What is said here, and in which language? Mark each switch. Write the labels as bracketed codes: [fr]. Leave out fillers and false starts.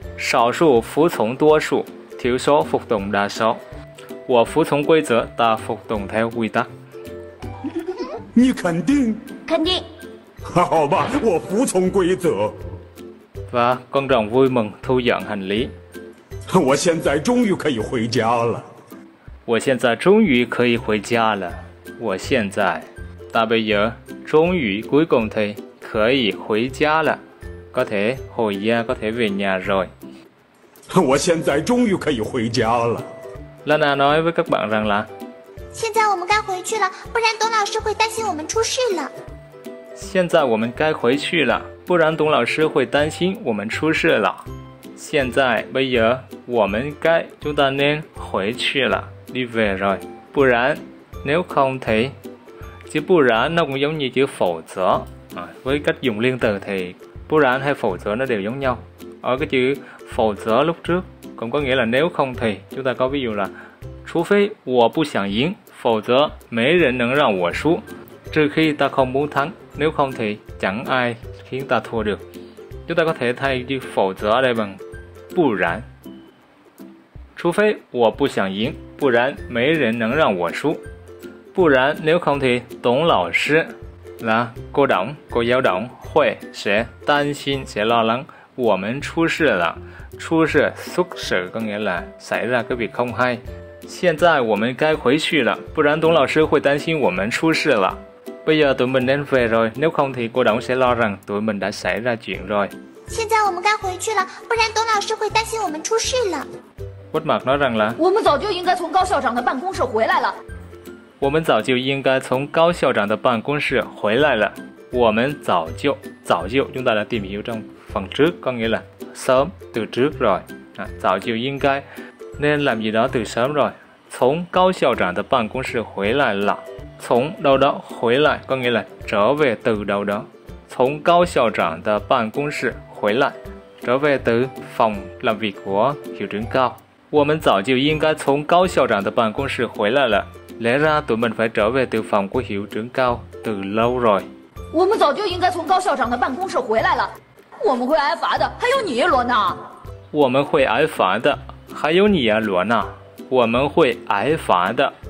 [vi] Sảo su phú cong đa su, thiểu số phục tùng đa số. Wo fu cong quy zhe, ta phục tùng theo quy tắc. [zh] 你肯定？肯定。好吧，我服从规则。 [vi] và con rồng vui mừng thu dọn hành lý. [zh] 我现在终于可以回家了。我现在终于可以回家了。我现在， [vi] ta bây giờ, [zh] 终于 [vi] cuối cùng thì, [zh] 可以回家了。 [vi] có thể hồi gia có thể về nhà rồi. [zh] 我现在终于可以回家了。 [vi] Lana nói với các bạn rằng là. [zh] 现在我们该回去了，不然董老师会担心我们出事了。现在我们该回去了，不然董老师会担心我们出事了。现在 [vi] bây giờ [zh] 我们该 [vi] chúng ta nên [zh] 回去了 [vi] đi về rồi. 不然 nếu không thì [zh] 其实不然 [vi] nó cũng giống như chữ phổ giờ. Với cách dùng liên từ thì 不然 hay 否则 nó đều giống nhau. Ở cái chữ phổ giờ lúc trước cũng có nghĩa là nếu không thì, chúng ta có ví dụ là [zh] 除非我不想赢，否则没人能让我输。 [vi] Trừ khi ta không muốn thắng, nếu không thì chẳng ai khiến ta thua được. Chúng ta có thể thay cái 否则 đây bằng 不然。 [zh] 除非我不想赢，不然没人能让我输。 [vi] 不然 nếu không thì 董老师 là cô đồng, cô giáo đồng 会 sẽ [zh] 担心 [vi] sẽ lo lắng [zh] 我们出事了。 [vi] 出事 xuất sự có nghĩa là xảy ra cái việc không hay。 [zh] 现在我们该回去了，不然董老师会担心我们出事了。 [vi] Bây giờ tụi mình nên về rồi, nếu không thì cô đồng sẽ lo rằng tụi mình đã xảy ra chuyện rồi. [zh] 现在我们该回去了，不然董老师会担心我们出事了。 [vi] Quách Mạc nói rằng là [zh] 我们早就应该从高校长的办公室回来了。我们早就应该从高校长的办公室回来了。我们早就早就 [vi] chúng ta đã tìm hiểu trong phần trước có nghĩa là sớm từ trước rồi. [zh] 早就应该 [vi] nên làm gì đó từ sớm rồi. [zh] 从高校长的办公室回来了. [vi] 从đâu đó回来có nghĩa là trở về từ đâu đó. [zh] 从高校长的办公室回来, [vi] trở về từ phòng làm việc của hiệu trưởng cao. [zh] 我们早就应该从高校长的办公室回来了. [vi] Lẽ ra tụi mình phải trở về từ phòng của hiệu trưởng cao từ lâu rồi. [zh] 我们早就应该从高校长的办公室回来了.我们会挨罚的, 还有你罗娜。我们会挨罚的。还有你啊，罗娜，我们会挨罚的。